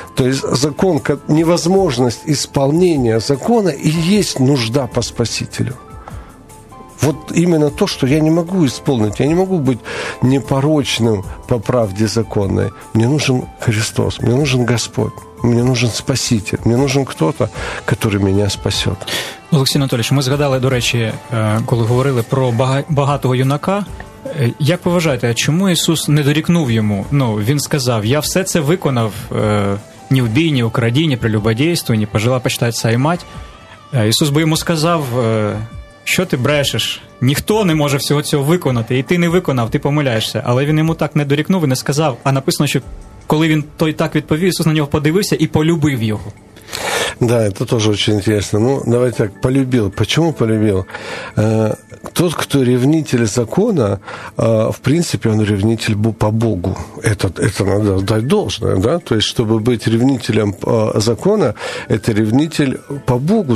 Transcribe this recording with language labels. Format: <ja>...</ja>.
<ru>То есть закон, невозможность исполнения закона и есть нужда по Спасителю. Вот именно то, что я не могу исполнить. Я не могу быть непорочным по правде законной. Мне нужен Христос, мне нужен Господь, мне нужен Спаситель, мне нужен кто-то, который меня спасет.</ru> <uk>Олексій Анатолійович, ми згадали, до речі, коли говорили про багатого юнака. Як ви вважаєте, чому Ісус не дорікнув йому? Ну, він сказав, я все це виконав, ні вбій, ні укради, ні прелюбодійство, ні пожила почитатися і мать. Ісус би йому сказав... Що ти брешеш? Ніхто не може всього цього виконати. І ти не виконав, ти помиляєшся. Але він йому так не дорікнув і не сказав. А написано, що коли він той так відповів, Ісус на нього подивився і полюбив його.</uk> <ru>Да, это тоже очень интересно. Ну, давайте так, полюбил. Почему полюбил? Тот, кто ревнитель закона, в принципе, он ревнитель по Богу. Это надо дать должное, да? То есть, чтобы быть ревнителем закона, это ревнитель по Богу.</ru>